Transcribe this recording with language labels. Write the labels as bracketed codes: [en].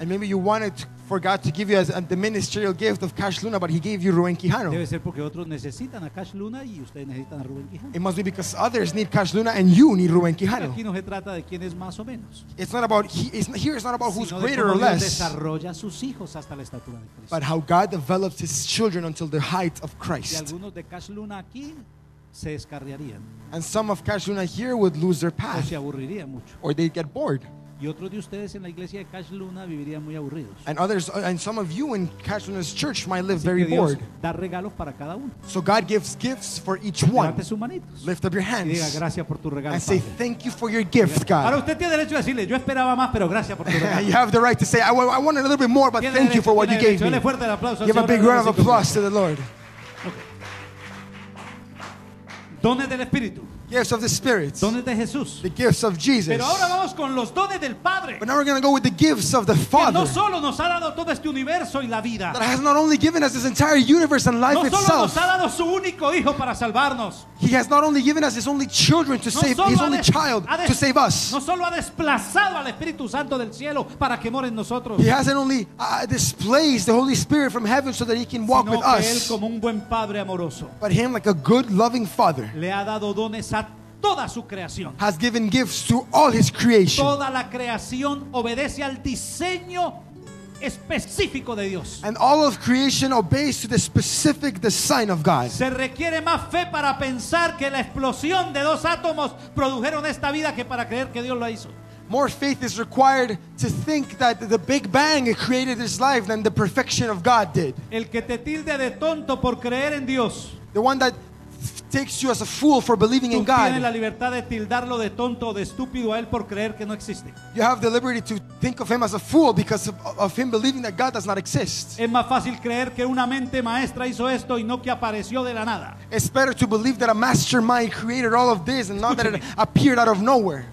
[en] And maybe you wanted for God to give you the ministerial gift of Cash Luna, but he gave you Rubén Quijano. [es] Debe ser porque otros necesitan a Cash Luna y ustedes necesitan a Rubén Quijano. [en] It must be because others need Cash Luna and you need Rubén Quijano. [es] Aquí no se trata de quién es más o menos. [en] It's not about it's not about who's greater or less. [es] Sino de cómo Dios desarrolla sus hijos hasta la estatura de Cristo. [en] But how God develops his children until the height of Christ. [es] Y algunos de Cash Luna aquí se descarriarían. [en] And some of Cash Luna here would lose their path. [es] O se aburrirían mucho. [en] Or they'd get bored. [es] Y otros de ustedes en la iglesia de Cash Luna vivirían muy aburridos. [en] And others, and some of you in Cash Luna's church might live [es] Así [en] very [es] que Dios [en] bored. [es] Da regalos para cada uno. [en] So God gives gifts for each one. [es] Levante sus manitos. [en] Lift up your hands. [es] Y diga gracias por tu regalo. [en] And say thank you for your gift, God. [es] Ahora usted tiene derecho a decirle, yo esperaba más, pero gracias por tu regalo. [en] You have the right to say, I want a little bit more, but thank you for what you gave me. [es] Dale fuerte el aplauso. [en] Give a big round of applause to the Lord. [es] Dones del Espíritu. [en] Gifts of the Spirit. [es] Dones de Jesús. [en] The gifts of Jesus. [es] Pero ahora vamos con los dones del Padre. [en] But now we're going to go with the gifts of the Father. [es] Que no solo nos ha dado todo este universo y la vida. [en] That has not only given us this entire universe and life [es] no solo [en] itself. [es] Nos ha dado su único hijo para salvarnos. [en] He has not only given us his only children to [es] no [en] save his only child to save us. [es] No solo ha desplazado al Espíritu Santo del cielo para que more en nosotros. [en] He hasn't only displaced the Holy Spirit from heaven so that he can walk with us. [es] Sino que él como un buen padre amoroso. [en] But him like a good loving father. [es] Le ha dado dones a toda su creación. [en] Has given gifts to all his creation. [es] Toda la creación obedece al diseño específico de Dios. [en] And all of creation obeys to the specific design of God. [es] Se requiere más fe para pensar que la explosión de dos átomos produjeron esta vida que para creer que Dios lo hizo. [en] More faith is required to think that the Big Bang created this life than the perfection of God did. [es] El que te tilde de tonto por creer en Dios. [en] The one that takes you as a fool for believing in God. [es] Tú tienes la libertad de tildarlo de tonto o de estúpido a él por creer que no existe. [en] You have the liberty to think of him as a fool because of him believing that God does not exist. [es] Es más fácil creer que una mente maestra hizo esto y no que apareció de la nada. [en] It's better to believe that a mastermind created all of this and not that it appeared out of nowhere.